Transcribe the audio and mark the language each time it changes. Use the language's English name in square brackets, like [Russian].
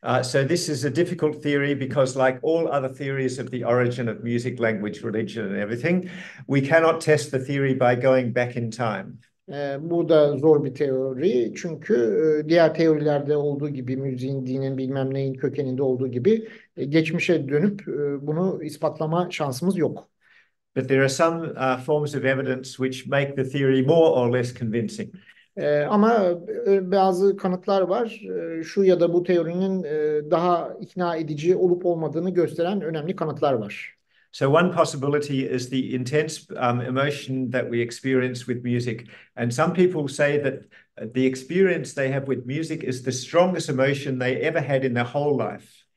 [English] So this is a difficult theory because, like all other theories of the origin of music, language, religion, and everything, we cannot test the theory by going back in time. [Turkish] Bu da zor bir teori çünkü diğer teorilerde olduğu gibi müziğin, dinin, bilmem neyin kökeninde olduğu gibi geçmişe dönüp bunu ispatlama şansımız yok. [English] But there are some forms of evidence which make the theory more or less convincing. [Turkish] Ama bazı kanıtlar var. Şu ya da bu teorinin daha ikna edici olup olmadığını gösteren önemli kanıtlar var. [English] So one possibility is the intense emotion that we experience with music. And some people say that the experience they have with music is the strongest emotion they ever had in their whole life.